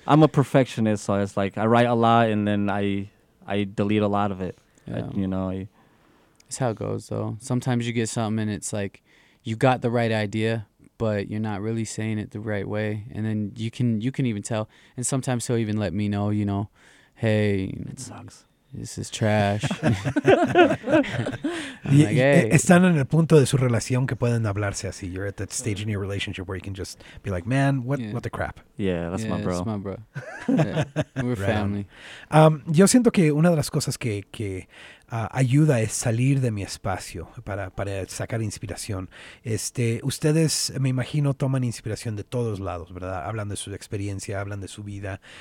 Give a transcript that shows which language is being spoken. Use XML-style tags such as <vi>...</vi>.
<en>I'm a perfectionist, so it's like I write a lot and then I delete a lot of it. Yeah. It's how it goes, though. Sometimes you get something and it's like you got the right idea, but you're not really saying it the right way. And then you can even tell. And sometimes he'll even let me know, you know, hey... It sucks. This is trash.</en> <es>Están en el punto de su relación que pueden hablarse así.</es> <en>You're at that stage in your relationship where you can just be like, man, what the crap? Yeah, that's my bro. That's my bro. Yeah. We're family.</en> <es>Yo siento que una de las cosas que ayuda es salir de mi espacio para sacar inspiración. Ustedes, me imagino, toman inspiración de todos lados, ¿verdad? Hablan de su experiencia, hablan de su vida.</es>